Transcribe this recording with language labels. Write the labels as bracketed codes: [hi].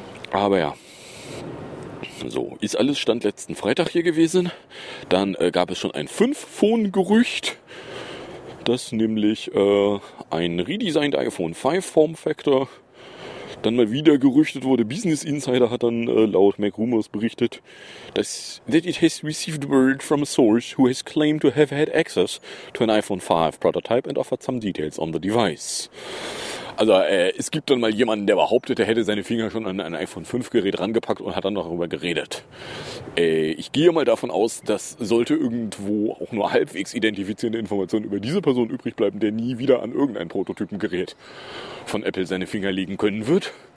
[de] Aber ja. So, ist alles Stand letzten Freitag hier gewesen. Dann gab es schon ein 5-Phone-Gerücht, das nämlich ein [en] redesigned iPhone 5 Form Factor [de] dann mal wieder gerüchtet wurde. [en] Business Insider [de] hat dann laut Mac Rumors berichtet, [en] that it has received word from a source who has claimed to have had access to an iPhone 5 prototype and offered some details on the device. [de] Also es gibt dann mal jemanden, der behauptet, er hätte seine Finger schon an ein iPhone 5 Gerät rangepackt und hat dann darüber geredet. Ich gehe mal davon aus, dass sollte irgendwo auch nur halbwegs identifizierende Informationen über diese Person übrig bleiben, der nie wieder an irgendein Prototypengerät von Apple seine Finger legen können wird.